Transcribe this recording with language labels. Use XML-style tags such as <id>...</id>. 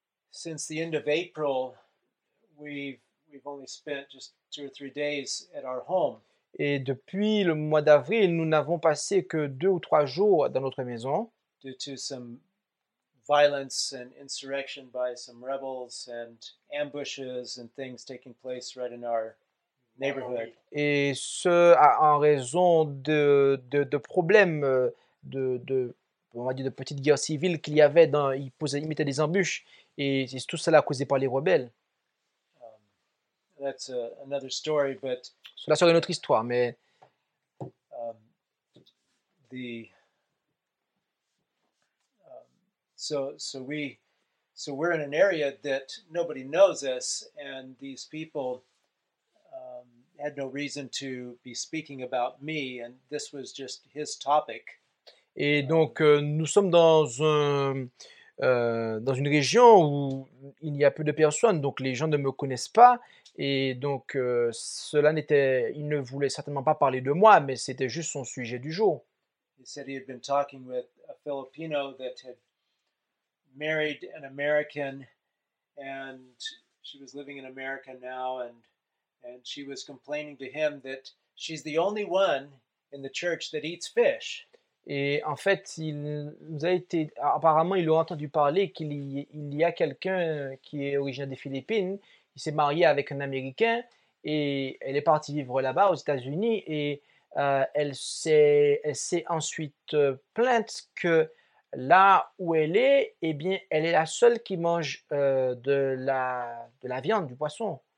<en>Since the end of April, we've only spent just 2 or 3 days at our home.</en> <fr>Et depuis le mois d'avril, nous n'avons passé que 2 ou 3 jours dans notre maison.</fr> <en>Due to some violence and insurrection by some rebels and ambushes and things taking place right in our neighborhood.</en> <fr>Et ce en raison de problèmes de on va dire de petites guerres civiles qu'il y avait dans ils mettaient des embûches. Et c'est tout cela causé par les rebelles.</fr> <en>That's another story, but</en> <fr>cela serait une autre histoire, mais</fr> <en>so we're in an area that nobody knows us, and these people had no reason to be speaking about me, and this was just his topic.</en> <fr>Et donc nous sommes dans un dans une région où il y a peu de personnes, donc les gens ne me connaissent pas, et donc cela n'était, il ne voulait certainement pas parler de moi, mais c'était juste son sujet du jour.</fr> <en>He said he had been talking with a Filipino that had married an American, and she was living in America now, and she was complaining to him that she's the only one in the church that eats fish.</en> <fr>Et en fait, il nous a été, apparemment, ils ont entendu parler qu'il y a quelqu'un qui est originaire des Philippines. Il s'est marié avec un Américain et elle est partie vivre là-bas, aux États-Unis. Et elle s'est ensuite plainte que là où elle est, eh bien, elle est la seule qui mange de la viande, du poisson.</fr>